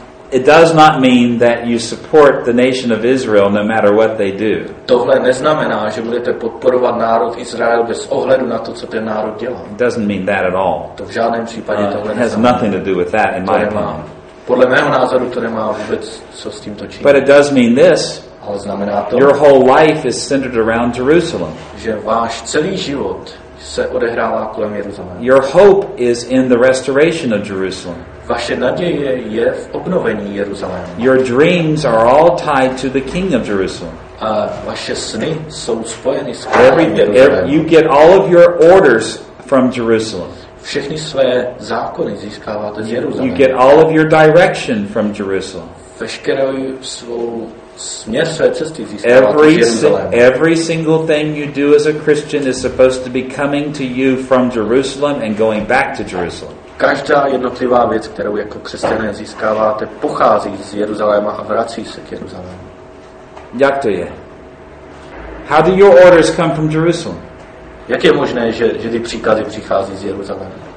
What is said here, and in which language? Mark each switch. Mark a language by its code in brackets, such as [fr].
[en] It does not mean that you support the nation of Israel no matter what they do. [cs] Tohle neznamená, že budete podporovat národ Izrael bez ohledu na to, co ten národ dělá. [en] It doesn't mean that at all. [cs] To v žádném případě tohle neznamená. [en] It has nothing to do with that in my opinion. [cs] Podle mého názoru to nemá vůbec co s tím točit. [en] But it does mean this. [cs] Ale znamená to, [en] your whole life is centered around Jerusalem. [cs] Že váš celý život se odehrává kolem Jeruzaléma. [en] Your hope is in the restoration of Jerusalem. [cs] Vaše naděje je v obnovení Jeruzaléma. [en] Your dreams are all tied to the King of Jerusalem. [cs] A vaše sny jsou spojeny s králem Jeruzaléma. [en] You get all of your orders from Jerusalem. [cs] Všechny své zákony získáváte z Jeruzaléma. [en] You get all of your direction from Jerusalem. [cs] Veškerou svou směr své cesty získáváte z Jeruzaléma. [en] Every single thing you do as a Christian is supposed to be coming to you from Jerusalem and going back to Jerusalem. [cs] Každá jednotlivá věc, kterou jako křesťané získáváte, pochází z Jeruzaléma a vrací se k Jeruzalému. Jak to je? [en] How do your orders come from Jerusalem? [cs] Jak je možné, že ty příkazy přichází z Jeruzaléma?